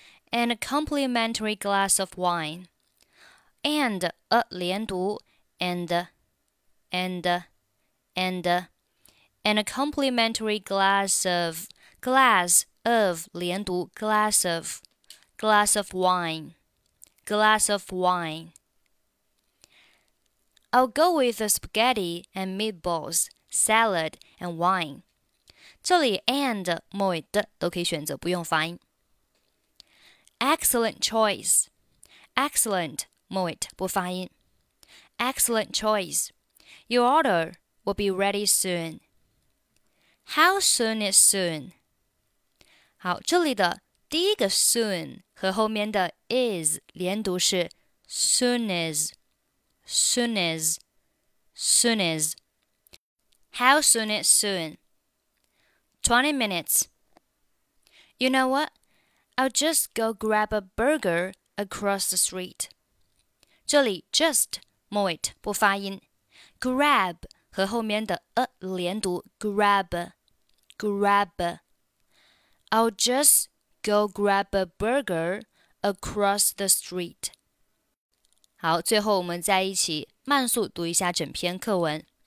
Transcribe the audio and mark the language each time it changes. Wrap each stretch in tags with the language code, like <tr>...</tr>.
<en>and a complimentary glass of wine, and a 连读 and a complimentary glass of 连读 glass of. Glass of wine. Glass of wine. I'll go with the spaghetti and meatballs, salad and wine.</en> <zh>这里 and, 末尾的都可以选择不用发音。</zh> <en>Excellent choice. Excellent,</en> <zh>末尾不发音。</zh> <en>Excellent choice. Your order will be ready soon. How soon is soon?</en> <zh>好这里的第一个</zh> <en>soon</en> <zh>和后面的</zh> <en>is</en> <zh>连读是</zh> <en>soon is, soon is, soon is. How soon is soon? 20 minutes. You know what? I'll just go grab a burger across the street.</en> <zh>这里 just 末尾不发音 grab 和后面的 a 连读 grab</zh> <en>grab. I'll just go grab a burger across the street.</en> <zh>好，最后我们再一起慢速读一下整篇课文。</zh>